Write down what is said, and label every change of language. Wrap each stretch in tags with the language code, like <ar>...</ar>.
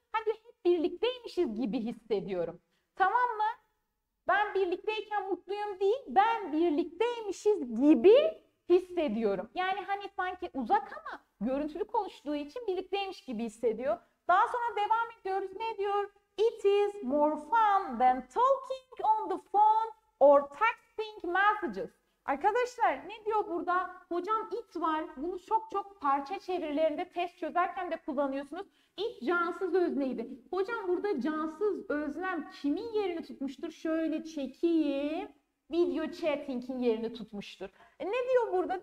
<tr>Hani hep birlikteymişiz gibi hissediyorum. Tamam mı? Ben birlikteyken mutluyum değil, ben birlikteymişiz gibi hissediyorum. Yani hani sanki uzak ama görüntülü konuştuğu için birlikteymiş gibi hissediyor. Daha sonra devam ediyoruz. Ne diyor?</tr> <en>It is more fun than talking on the phone or texting messages.</en> <tr>Arkadaşlar ne diyor burada? Hocam it var. Bunu çok çok parça çevirilerinde test çözerken de kullanıyorsunuz. It cansız özneydi. Hocam burada cansız öznem kimin yerini tutmuştur? Şöyle çekeyim. Video chatting'in yerini tutmuştur. Ne diyor burada?</tr>